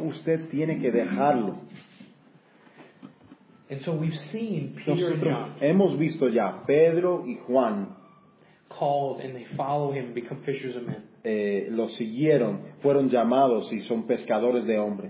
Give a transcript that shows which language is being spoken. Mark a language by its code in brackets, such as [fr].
[es] Usted tiene que dejarlo. [en] And so we've seen Peter [es] nosotros [en] and John. [es] Hemos visto ya Pedro y Juan [en] called and they follow him and become fishers of men. [es] Lo siguieron, fueron llamados y son pescadores de hombres.